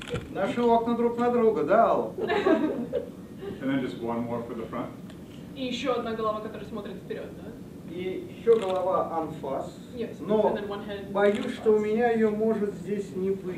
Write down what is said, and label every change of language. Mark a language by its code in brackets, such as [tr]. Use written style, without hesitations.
[ru] Наши окна друг на друга, да, Алла? [en] And then just one more for the front. [ru] И еще одна голова, которая смотрит вперед, да? И еще голова анфас. [en] Yes, [ru] но [en] and then one head [ru] боюсь, что у меня ее может здесь не быть.